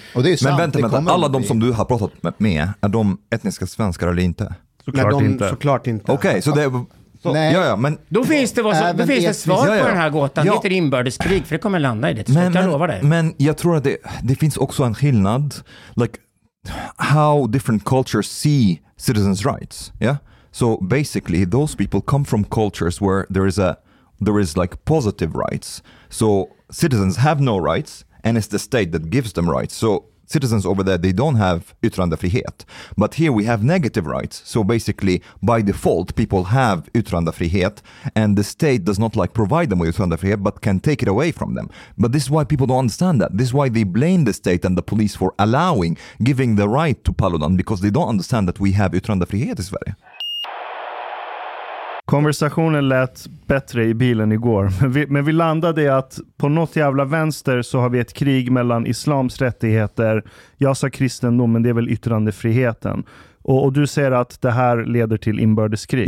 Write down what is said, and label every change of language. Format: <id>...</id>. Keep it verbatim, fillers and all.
<sv>Och det är sant, men vänta, vänta. Det alla de som du har pratat med, är de etniska svenskar eller inte? Såklart de, inte. Såklart inte. Okej, okay, så det är... Ja, ja, men då finns det, vad som, då finns det svar ja, ja. på den här gåtan. Ja. Det är ett inbördeskrig, för det kommer landa i det. Men, jag lovar dig. Men jag tror att det, det finns också en skillnad.</sv> <en>Like how different cultures see citizens' rights. Yeah? So basically those people come from cultures where there is a there is like positive rights. So citizens have no rights, and it's the state that gives them rights. So citizens over there, they don't have yttrandefrihet. But here we have negative rights. So basically, by default, people have yttrandefrihet, and the state does not like provide them with yttrandefrihet, but can take it away from them. But this is why people don't understand that. This is why they blame the state and the police for allowing, giving the right to Paludan, because they don't understand that we have yttrandefrihet in Sverige.</en> <sv>Konversationen lät bättre i bilen igår. Men vi, men vi landade i att på något jävla vänster så har vi ett krig mellan islams rättigheter. Jag sa kristendom, men det är väl yttrandefriheten. Och, och du säger att det här leder till inbördeskrig.</sv>